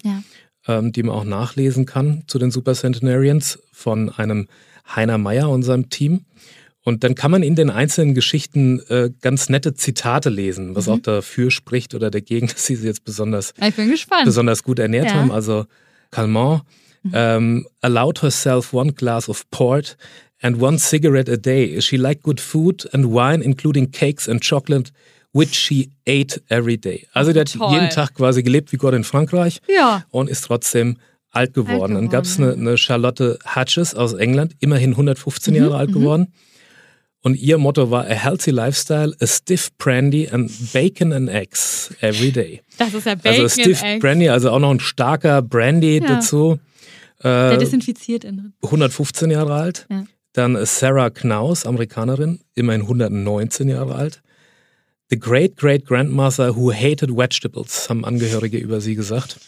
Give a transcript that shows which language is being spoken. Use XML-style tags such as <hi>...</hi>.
<de>Ja. Die man auch nachlesen kann zu den Super Centenarians von einem Heiner Meyer und seinem Team. Und dann kann man in den einzelnen Geschichten ganz nette Zitate lesen, was auch dafür spricht oder dagegen, dass sie sich jetzt besonders gut ernährt haben.</de> <en>Also Calment, allowed herself one glass of port and one cigarette a day. She liked good food and wine, including cakes and chocolate, which she ate every day.</en> <de>Also der hat jeden Tag quasi gelebt wie Gott in Frankreich und ist trotzdem alt geworden. Dann gab es eine Charlotte Hatches aus England, immerhin 115 Jahre alt geworden. Und ihr Motto war</de> <en>a healthy lifestyle, a stiff brandy and bacon and eggs every day.</en> <de>Das ist ja Bacon and Eggs. Also stiff brandy, also auch noch ein starker Brandy dazu. Der desinfiziert innen. 115 Jahre alt. Ja. Dann Sarah Knaus, Amerikanerin, immerhin 119 Jahre alt.</de> <en>The great-great-grandmother who hated vegetables,</en> <de>haben Angehörige über sie gesagt.</de>